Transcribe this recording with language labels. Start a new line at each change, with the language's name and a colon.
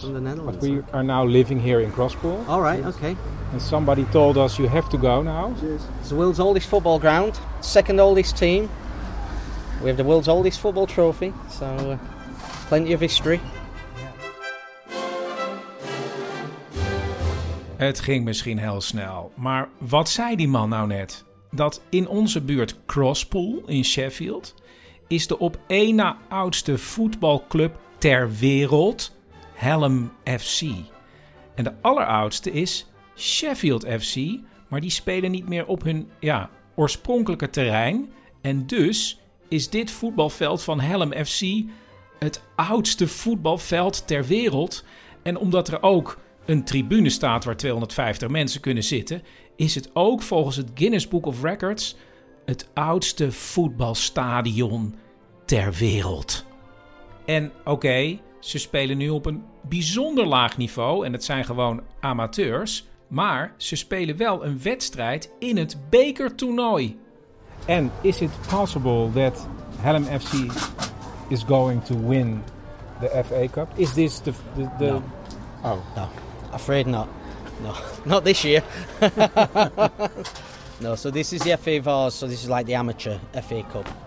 English: From the Netherlands. But we are now living here in Crosspool. All right. Yes. Okay. And somebody told us you have to go now. It's the world's oldest football ground. Second oldest team. We have the world's oldest football trophy, so plenty of history.
Dutch: Het ging misschien heel snel, maar wat zei die man nou net? Dat in onze buurt Crosspool in Sheffield is de op één na oudste voetbalclub ter wereld Hallam FC. En de alleroudste is Sheffield FC, maar die spelen niet meer op hun oorspronkelijke terrein en dus is dit voetbalveld van Hallam FC het oudste voetbalveld ter wereld. En omdat er ook een tribune staat waar 250 mensen kunnen zitten, is het ook volgens het Guinness Book of Records het oudste voetbalstadion ter wereld. En oké, ze spelen nu op een bijzonder laag niveau en het zijn gewoon amateurs, maar ze spelen wel een wedstrijd in het bekertoernooi. En
English: is it possible that Hallam FC is going to win the FA Cup? Is this the no. Oh no, afraid not. No, not this year. No, so this is the FA Vase, so this is like the amateur FA Cup.